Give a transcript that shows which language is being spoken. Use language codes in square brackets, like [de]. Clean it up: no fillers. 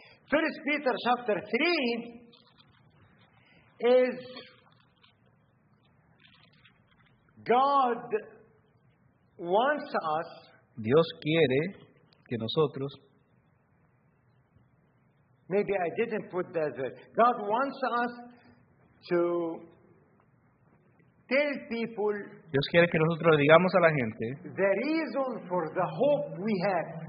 [en] 1 Peter chapter 3 is God wants us. [es] Dios quiere que nosotros. [en] Maybe I didn't put that there. God wants us to tell people. [es] Dios quiere que nosotros le digamos a la gente [en] the reason for the hope we have.